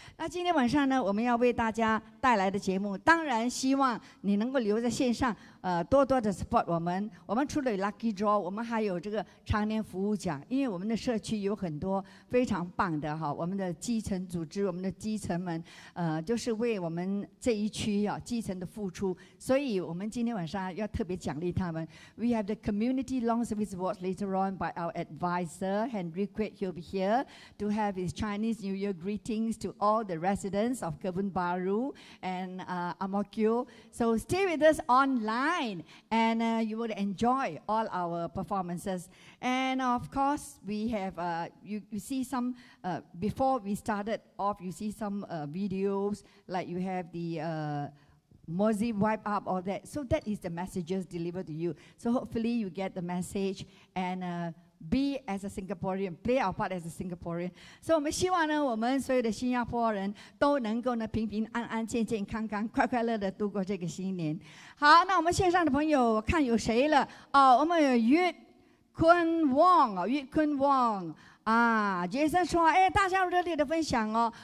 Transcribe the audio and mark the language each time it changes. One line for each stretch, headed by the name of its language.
Chinese: 那今天晚上呢，我们要为大家带来的节目，当然希望你能够留在线上，多多的 support 我们。我们除了有 lucky draw， 我们还有这个常年服务奖，因为我们的社区有很多非常棒的哈，我们的基层组织，我们的基层们，就是为我们这一区啊基层的付出，所以我们今天晚上要特别奖励他们。
English: We have the community long service awards later on by our advisor Henry Quek. He'll be here to have his Chinese New Year greetings to all the residents of Kebun Baru and Amokyo. So stay with us online, and you will enjoy all our performances. And of course, we have you see some before we started off. You see some videos like you have the Mozi wipe up all that. So that is the messages delivered to you. So hopefully you get the message and be as a Singaporean, play our part as a Singaporean.
Chinese: 所以我们希望呢，我们所有的新加坡人都能够呢平平安安、健健康康、快快乐乐度过这个新年。好，那我们线上的朋友，我看有谁了？哦，我们有岳坤旺，岳坤旺。啊，杰森说：“哎，大家热烈的分享哦！